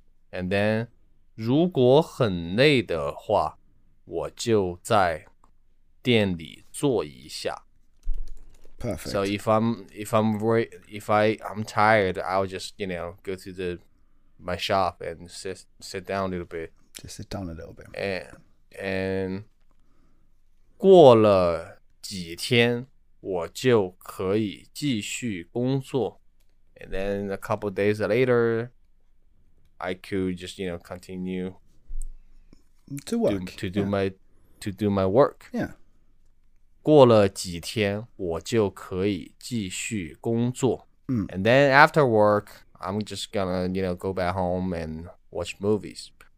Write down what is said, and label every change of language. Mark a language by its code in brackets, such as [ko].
[en] And then, [zh] 如果很累的话，我就在店里坐一下。 [en] Perfect. So if I'm tired, I'll just, you know, go to my shop and sit down a little bit. Just sit down a little bit. And [zh] 过了 几天我就可以继续工作. [en] And then a couple of days later, I could just, you know, continue to work to do my work. Yeah. [zh] 过了几天我就可以继续工作. [en] And then after work, I'm just gonna, you know, go back home and watch movies.